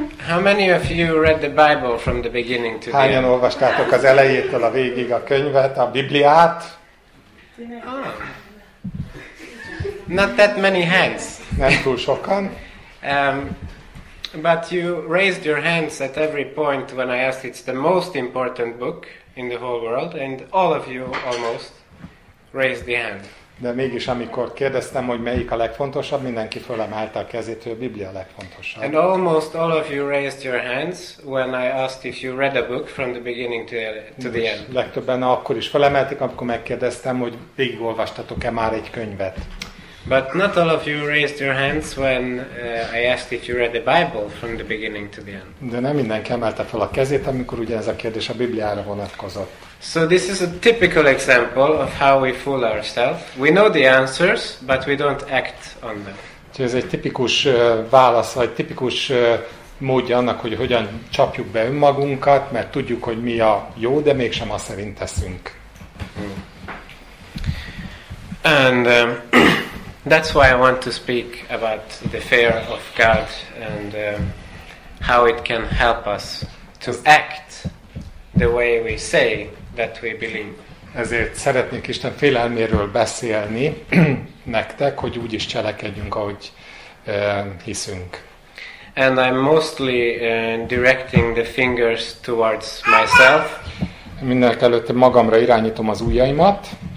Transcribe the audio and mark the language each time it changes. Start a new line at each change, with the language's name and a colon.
English: How many of you read the Bible from the beginning to the end?
Hungarian: Hányan olvastátok az elejétől a végig a könyvet, a Bibliát?
English: Oh. Not that many hands.
Hungarian: Nem túl sokan.
English: But you raised your hands at every point when I asked it's the most important book in the whole world, and all of you almost raised the hand.
Hungarian: De mégis amikor kérdeztem, hogy melyik a legfontosabb, mindenki fölemelte a kezét, hogy a Biblia a legfontosabb.
English: And almost all of you raised your hands when I asked if you read a book from the beginning to the end.
Hungarian: Legtöbben akkor is fölemelték, amikor megkérdeztem, hogy végigolvastatok-e már egy könyvet.
English: But not all of you raised your hands when I asked if you read the Bible from the beginning to the end.
Hungarian: De nem mindenki emelte fel a kezét, amikor ugye ez a kérdés a Bibliára vonatkozott.
English: So this is a typical example of how we fool ourselves. We know the answers, but we don't act on them.
Hungarian: Ez egy tipikus válasz, vagy tipikus módja annak, hogy hogyan csapjuk be önmagunkat, mert tudjuk, hogy mi a jó, de mégsem azt szerint teszünk.
English: And that's why I want to speak about the fear of God and how it can help us to act the way we say that we believe.
Hungarian: Ezért szeretnék Isten félelméről beszélni nektek, hogy úgy is cselekedjünk, ahogy hiszünk.
English: And I'm mostly directing the fingers towards myself.
Hungarian: Mindenek előtt magamra irányítom az ujjaimat.